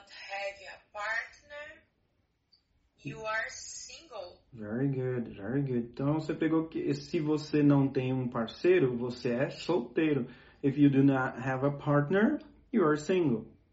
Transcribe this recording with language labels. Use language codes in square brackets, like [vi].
[en] have a partner, you are single. Very good, very good. [pt] Então, você pegou que se você não tem um parceiro, você é solteiro. [en] If you do not have a partner, you are single.